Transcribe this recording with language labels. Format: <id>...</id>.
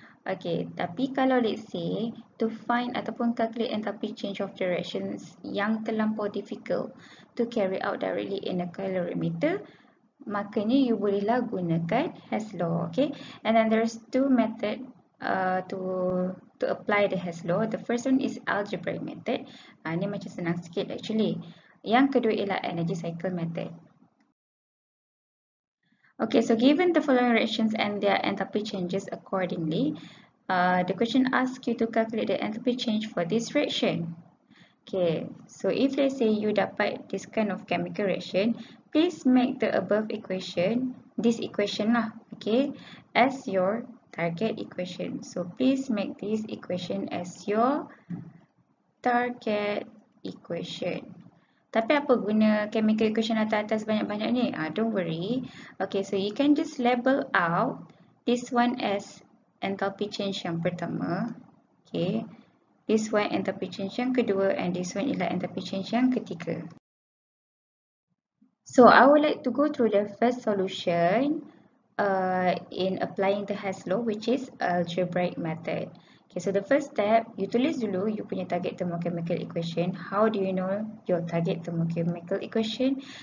<en>Okay,</en> <ms>tapi kalau</ms> <en>let's say, to find</en> <ms>ataupun</ms> <en>calculate enthalpy change of the reactions</en> <ms>yang terlampau</ms> <en>difficult to carry out directly in a calorimeter,</en> <ms>makanya you bolehlah gunakan</ms> <en>Hess law, okay? And then there's two method to apply the Hess law. The first one is algebraic method.</en> <ms>Ni macam senang sikit</ms> <en>actually.</en> <ms>Yang kedua ialah energy cycle method.</ms> <en>Okay, so given the following reactions and their enthalpy changes accordingly, the question asks you to calculate the enthalpy change for this reaction. Okay, so if let's say you</en> <ms>dapat</ms> <en>this kind of chemical reaction, please make the above equation, this equation lah, okay, as your target equation. So please make this equation as your target equation.</en> <ms>Tapi apa guna chemical equation atas-atas banyak-banyak ni?</ms> <en>Don't worry. Okay, so you can just label out this one as enthalpy change</en> <ms>yang pertama.</ms> <en>Okay, this one enthalpy change</en> <ms>yang kedua,</ms> <en>and this one</en> <ms>ialah</ms> <en>enthalpy change</en> <ms>yang ketiga.</ms> <en>So I would like to go through the first solution in applying the Hess law, which is algebraic method. Okay, so the first step, you</en> <ms>tulis dulu</ms> <en>you</en> <ms>punya</ms> <en>target thermochemical equation. How do you know your target thermochemical equation?</en>